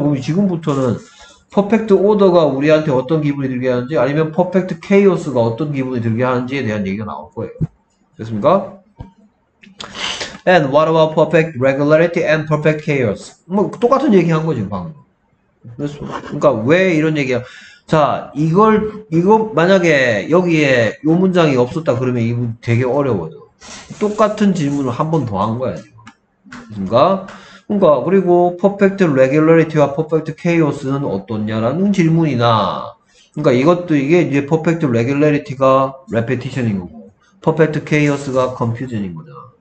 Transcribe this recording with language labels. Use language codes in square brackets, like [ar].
[ko] 그럼 지금부터는 퍼펙트 오더가 우리한테 어떤 기분이 들게 하는지, 아니면 퍼펙트 케이오스가 어떤 기분이 들게 하는지에 대한 얘기가 나올 거예요. 됐습니까? [en] And what about perfect regularity and perfect chaos? [ko] 뭐, 똑같은 얘기 한 거지, 방금. 그러니까 왜 이런 얘기야? 자, 이거 만약에 여기에 요 문장이 없었다 그러면 이분 되게 어려워요. 똑같은 질문을 한 번 더 한 거야. 그러니까 그리고 퍼펙트 레귤러리티와 퍼펙트 케이오스는 어떻냐라는 질문이나, 그러니까 이것도 이게 이제 퍼펙트 레귤러리티가 레피티션인 거고 퍼펙트 케이오스가 컴퓨전인 거죠.